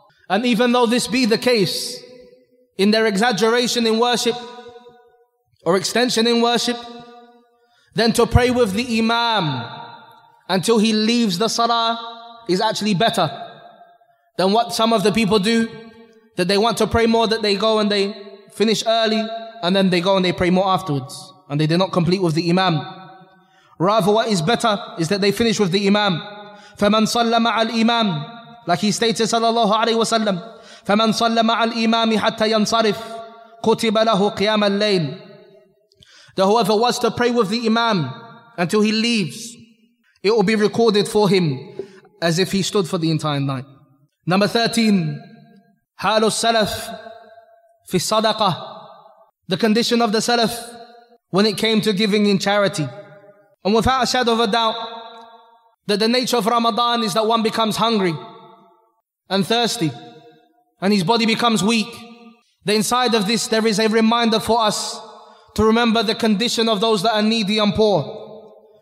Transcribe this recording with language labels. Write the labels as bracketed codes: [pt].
[en] And even though this be the case, in their exaggeration in worship, or extension in worship, then to pray with the Imam until he leaves the Salah is actually better than what some of the people do, that they want to pray more, that they go and they finish early and then they go and they pray more afterwards and they did not complete with the Imam. Rather, what is better is that they finish with the Imam. [ar] فَمَنْ صَلَّ مَعَ الْإِمَامِ, [en] like he stated sallallahu alayhi wa sallam, [ar] فَمَنْ صَلَّ مَعَ الْإِمَامِ حَتَّى يَنْصَرِفْ قُتِبَ لَهُ قِيَامَ اللَّيْلِ. [en] That whoever was to pray with the Imam until he leaves, it will be recorded for him as if he stood for the entire night. Number 13, [ar] حَالُ السَّلَفْ فِي الصَّدَقَةِ. [en] The condition of the Salaf when it came to giving in charity. And without a shadow of a doubt, that the nature of Ramadan is that one becomes hungry and thirsty and his body becomes weak. That inside of this, there is a reminder for us to remember the condition of those that are needy and poor.